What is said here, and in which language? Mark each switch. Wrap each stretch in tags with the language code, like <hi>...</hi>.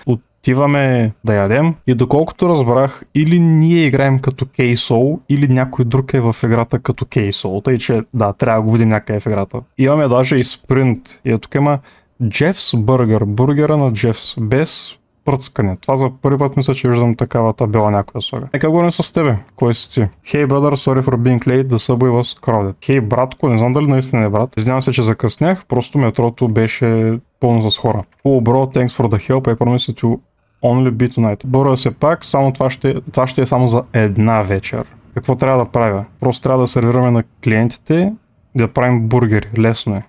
<bg>Отиваме да ядем и доколкото разбрах, или ние играем като KSO, или някой друг е в играта като KSO. Тъй, че да, трябва да го видим някъде в играта. Имаме даже и спринт. И тук има Jeff's Burger, бургера на Jeff's, без пръцкане. Това за първи път мисля, че виждам такава табела някоя слага. Нека говорим с тебе. Кой си ти?</bg> <en>Hey brother, sorry for being late, the subway was crowded.</en> <bg>Hey братко, не знам дали наистина е брат. Извинявам се, че закъснях, просто метрото беше пълно с хора.</bg> <en>Oh bro, thanks for the help, I promise to only be tonight.</en> <bg>Боря се пак, само това ще е само за една вечер. Какво трябва да правя? Просто трябва да сервираме на клиентите. Да правим бургери, лесно е.</bg>